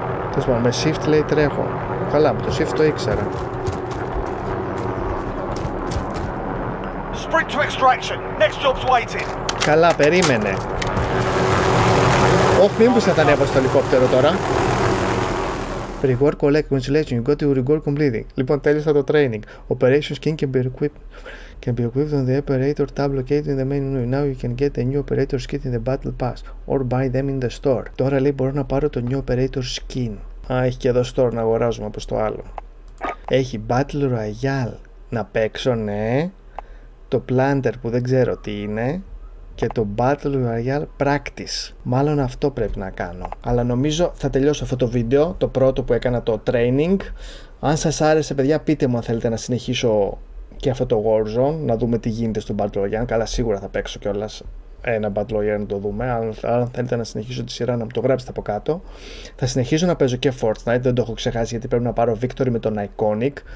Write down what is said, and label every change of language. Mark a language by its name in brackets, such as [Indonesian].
[Greek] Τέλος πάντων, με shift λέει τρέχω. Καλά, με το shift το ήξερα. [English] Sprint to extraction. Next job's waiting. [Greek] Καλά, περίμενε. Όχι, μήπως θα τα ανέβω στο ελικόπτερο τώρα. [English] Reward collect, congratulations, you got your reward completed. [Greek] Λοιπόν, τέλειωσα το training. [English] Operation skin can be equipped on the operator tab located in the main menu. Now you can get a new operator skin in the battle pass or buy them in the store. [Greek] Τώρα λέει μπορώ να πάρω το new operator skin. Α, έχει και εδώ store να αγοράζουμε όπως το άλλο. Έχει battle royale να παίξω, ναι. Το planter που δεν ξέρω τι είναι. Και το Battle Royale Practice. Μάλλον αυτό πρέπει να κάνω. Αλλά νομίζω θα τελειώσω αυτό το βίντεο, το πρώτο που έκανα το training. Αν σας άρεσε παιδιά πείτε μου αν θέλετε να συνεχίσω και αυτό το Warzone, να δούμε τι γίνεται στο Battle Royale. Καλά σίγουρα θα παίξω κιόλας ένα Battle Royale να το δούμε. Αν θέλετε να συνεχίσω τη σειρά να μου το γράψετε από κάτω. Θα συνεχίσω να παίζω και Fortnite, δεν το έχω ξεχάσει γιατί πρέπει να πάρω Victory με τον Iconic.